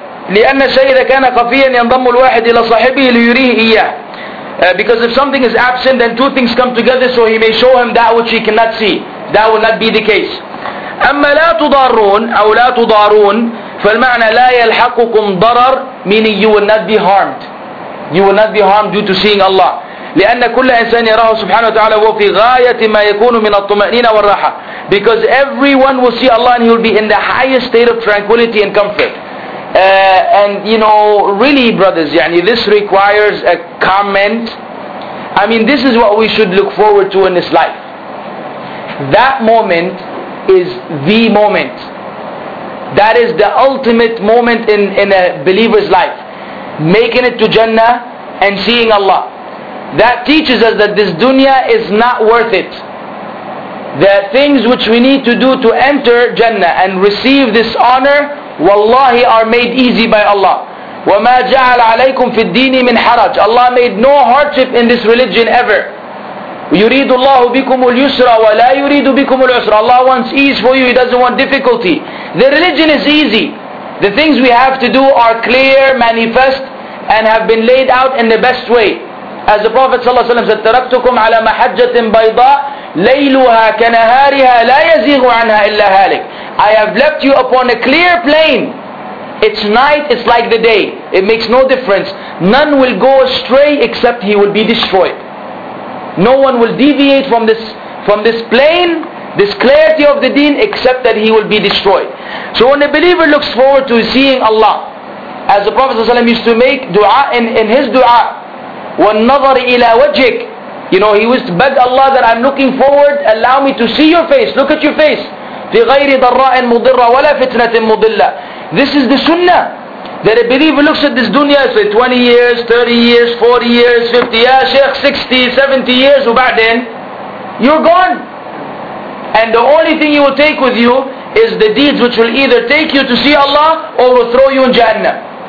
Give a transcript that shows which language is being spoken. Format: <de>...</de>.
<ar>لأن الشيء إذا كان خفيا ينضم الواحد إلى صاحبه ليريه إياه.</ar> <en>Because if something is absent, then two things come together, so he may show him that which he cannot see. That will not be the case.</en> <ar>أما لا تضارون أو لا تضارون فالمعنى لا يلحقكم ضرر,</ar> <en>meaning you will not be harmed. You will not be harmed due to seeing Allah.</en> <ar>لأن كل إنسان يراه سبحانه وتعالى هو في غاية ما يكون من الطمأنينة والراحة.</ar> <en>Because everyone will see Allah and he will be in the highest state of tranquility and comfort. And you know, really, brothers,</en> <ar>يعني,</ar> <en>this requires a comment. I mean, this is what we should look forward to in this life. That moment is the moment. That is the ultimate moment in a believer's life. Making it to Jannah and seeing Allah. That teaches us that this dunya is not worth it. The things which we need to do to enter Jannah and receive this honor, wallahi, are made easy by Allah.</en> <ar>وَمَا جَعَلَ عَلَيْكُمْ فِي الدِّينِ مِنْ حَرَجٍ.</ar> <en>Allah made no hardship in this religion ever.</en> <ar>يريد الله بكم اليسر ولا يريد بكم العسر.</ar> <en>Allah wants ease for you, He doesn't want difficulty. The religion is easy. The things we have to do are clear, manifest, and have been laid out in the best way. As the Prophet ﷺ said,</en> <ar>تركتكم على محجة بيضاء ليلها كنهارها لا يزيغ عنها إلا هالك.</ar> <en>I have left you upon a clear plane. It's night, it's like the day. It makes no difference. None will go astray except he will be destroyed. No one will deviate from this plane, this clarity of the deen, except that he will be destroyed. So when a believer looks forward to seeing Allah, as the Prophet ﷺ used to make dua in his dua,</en> <ar>والنظر إلى وجهك,</ar> <en>you know, he used to beg Allah that I'm looking forward, allow me to see your face, look at your face.</en> <ar>في غير ضراء مضرة ولا فتنة مضلة.</ar> <en>This is the sunnah, that a believer looks at this dunya, say 20 years, 30 years, 40 years, 50, ya Shaykh, 60, 70 years,</en> <ar>وبعدين,</ar> <en>you're gone. And the only thing you will take with you is the deeds which will either take you to see Allah or will throw you in Jannah.</en>